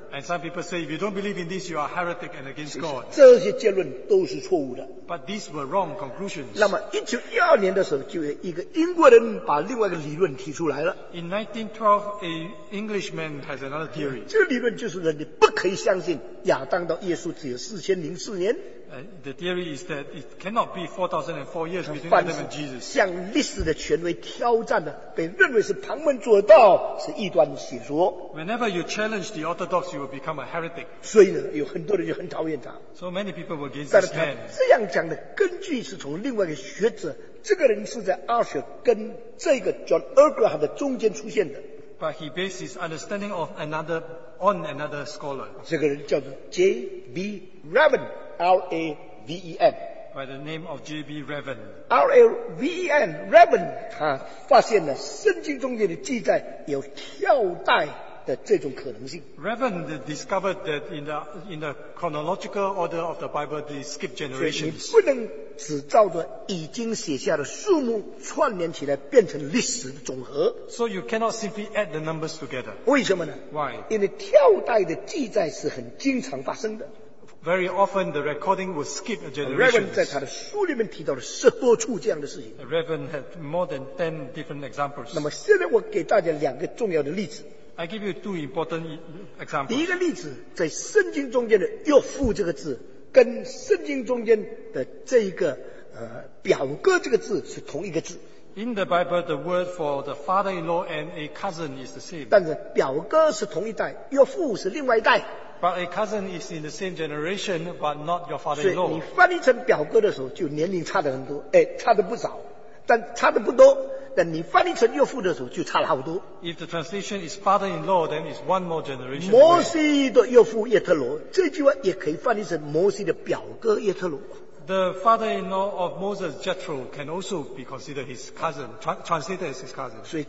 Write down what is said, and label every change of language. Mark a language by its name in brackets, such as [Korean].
[English] and some people say if you don't believe in this you are heretic and against God. [Chinese] 这些结论都是错误的, [English] but these were wrong conclusions. [Chinese] 那么1912年的时候, 就有一个英国人把另外一个理论提出来了, [English] in 1912 an Englishman has another theory. [Chinese] 这个理论就是说你不可以相信亚当 到耶稣只有4004年, [English] the theory is that it cannot be 4004 years between Adam and Jesus. [Chinese] 向历史的权威挑战的被认为是旁门左道是异端的邪说, [English] whenever you challenge the orthodox you will become a heretic. [Chinese] 所以呢有很多人就很讨厌他, [English] so many people were against this man. [Chinese] 这样讲的根据是从另外一个学者, 这个人是在阿舍跟这个 John Ergraham的中间出现的, [English] but he based his understanding of another on another scholar. [Chinese] 这个人叫做 J.B. Raven, R-A-V-E-N. [English] By the name of J.B. Raven. [Chinese] R-A-V-E-N, Raven, 他发现了圣经中间的记载有跳代的这种可能性。 [English] Raven discovered that in the chronological order of the Bible, they skip generations. [Chinese] 所以你不能只照着已经写下的数目串联起来变成历史的总和。 [English] So you cannot simply add the numbers together. [Chinese] 为什么呢? [English] Why? [Chinese] 因为跳代的记载是很经常发生的。 [English] Very often the recording will skip a generation. Raven had more than 10 different examples. [Chinese] 那么现在我给大家两个重要的例子, [English] I give you two important examples. [Chinese] 第一个例子在圣经中间的约父这个字, 跟圣经中间的这一个表哥这个字是同一个字。 [English] In the Bible, the word for the father-in-law and a cousin is the same. [Chinese] 但是表哥是同一代, 约父是另外一代。 [English] But a cousin is in the same generation, but not your father-in-law. [Chinese] 所以你翻译成表哥的时候就年龄差得很多，差得不少，但差得不多。但你翻译成岳父的时候就差了好多。 [English] If the translation is father-in-law, then it's one more generation. [Chinese] 摩西的岳父叶特罗, 这句话也可以翻译成摩西的表哥叶特罗。 [English] The father-in-law of Moses, Jethro, can also be considered his cousin, translated as his cousin.